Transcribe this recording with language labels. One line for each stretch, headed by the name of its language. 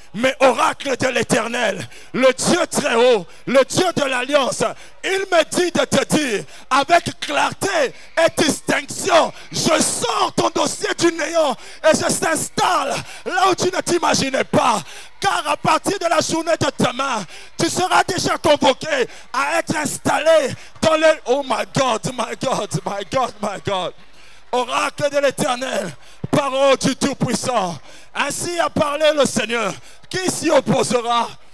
French: Mais oracle de l'Éternel, le Dieu très haut, le Dieu de l'Alliance, il me dit de te dire avec clarté et distinction, je sors ton dossier du néant et je s'installe là où tu ne t'imaginais pas. Car à partir de la journée de demain, tu seras déjà convoqué à être installé dans le...
English: Oh my God, my God, my God, my God.
French: Oracle de l'Éternel, parole du Tout-Puissant. Ainsi a parlé le Seigneur. Qui s'y opposera?